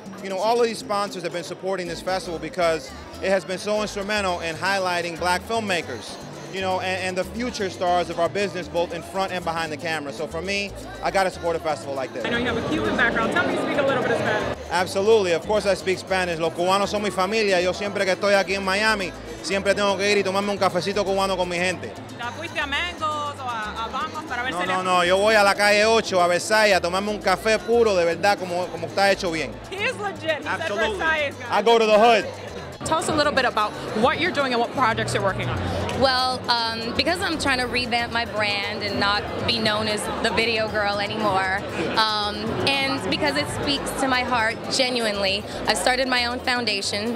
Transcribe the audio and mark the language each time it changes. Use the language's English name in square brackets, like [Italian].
[English] You know, all of these sponsors have been supporting this festival because it has been so instrumental in highlighting black filmmakers, you know, and the future stars of our business, both in front and behind the camera. So for me, I got to support a festival like this. I know you have a Cuban background. Tell me you speak a little bit of Spanish. Absolutely. Of course I speak Spanish. [Spanish] Los cubanos son mi familia. Yo siempre que estoy aquí en Miami, siempre tengo que ir y tomarme un cafecito cubano con mi gente. ¿La fuiste a Mangos o a Bangos para ver? No. Yo voy a la calle 8, a Versailles, a tomarme un café puro, de verdad, como está hecho bien. [English] He is legit. He absolutely. Said Versailles, guys. I go to the hood. Tell us a little bit about what you're doing and what projects you're working on. Well, because I'm trying to revamp my brand and not be known as the video girl anymore, and because it speaks to my heart genuinely, I started my own foundation.